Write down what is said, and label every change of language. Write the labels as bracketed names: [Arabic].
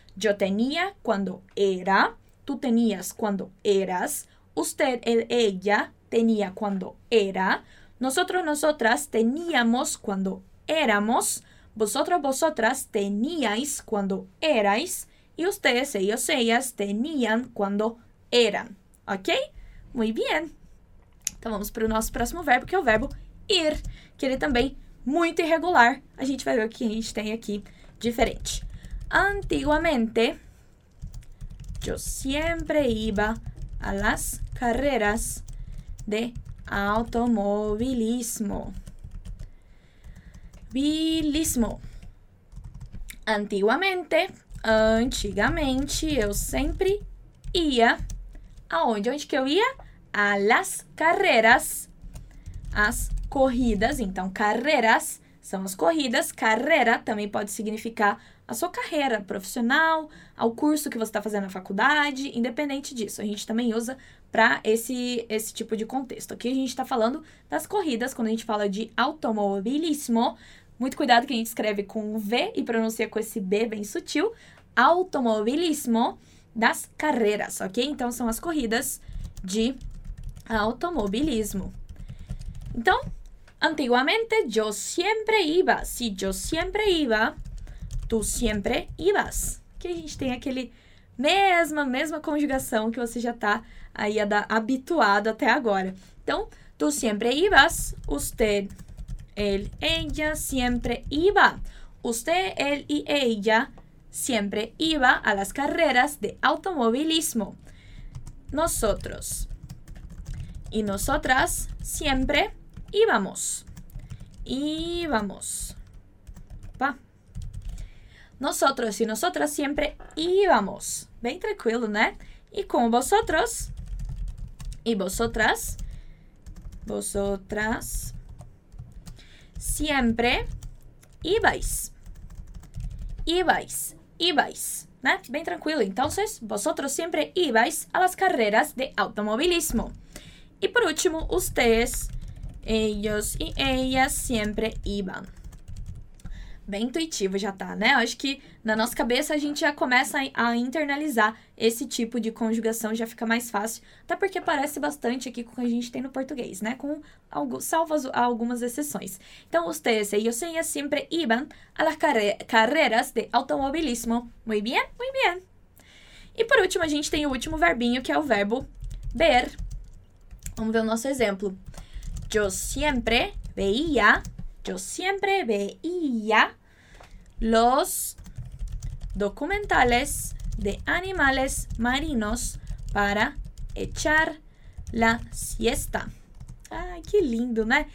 [Spanish] Yo tenía quando era, tú tenías quando eras, usted, ella, tenía quando era, nosotros, nosotras, teníamos quando éramos, vosotros, vosotras, teníais quando erais, e ustedes, ellos, ellas, tenían quando eran, ok? Muy bien. [Portuguese] Então, vamos para o nosso próximo verbo, que é o verbo ir, que ele também muito irregular. A gente vai ver o que a gente tem aqui diferente. [Spanish] Antiguamente, yo siempre iba a las carreras de automovilismo. Bilismo. Antiguamente... [Portuguese] antigamente, eu sempre ia aonde? Onde que eu ia? [Spanish] A las carreras, [Portuguese] as corridas. Então, carreras são as corridas. Carreira também pode significar a sua carreira profissional, ao curso que você está fazendo na faculdade, independente disso. A gente também usa para esse tipo de contexto. Aqui a gente está falando das corridas, quando a gente fala de automobilismo. Muito cuidado que a gente escreve com um V e pronuncia com esse B bem sutil. Automobilismo das carreiras, ok? Então, são as corridas de automobilismo. Então, antigamente, [Spanish] yo siempre iba. Si yo siempre iba, tú siempre ibas. [Portuguese] Que a gente tem aquele mesma conjugação que você já está aí habituado até agora. [Spanish] Então, tú siempre ibas, usted... él, ella, siempre iba. Usted, él y ella, siempre iba a las carreras de automovilismo. Nosotros. Y nosotras, siempre íbamos. Íbamos. Pa. Nosotros y nosotras, siempre íbamos. Bien tranquilo, ¿no? Y con vosotros. Y vosotras. Vosotras. Siempre ibais. Ibais. Ibais. [Portuguese] Né? Bem tranquilo. [Spanish] Então, vosotros siempre ibais a las carreras de automovilismo. [Portuguese] E por último, [Spanish] ustedes, ellos y ellas siempre iban. [Portuguese] Bem intuitivo já tá, né? Acho que na nossa cabeça a gente já começa a internalizar esse tipo de conjugação, já fica mais fácil. Até porque parece bastante aqui com o que a gente tem no português, né? Com algumas exceções. [Spanish] Então, ustedes, ellos, ellas siempre iban a las carreras de automovilismo. Muy bien, muy bien. [Portuguese] E por último, a gente tem o último verbinho, que é o verbo ver. Vamos ver o nosso exemplo. [Spanish] Yo siempre veía... yo siempre veía los documentales de animales marinos para echar la siesta. Ay, qué lindo, ¿no?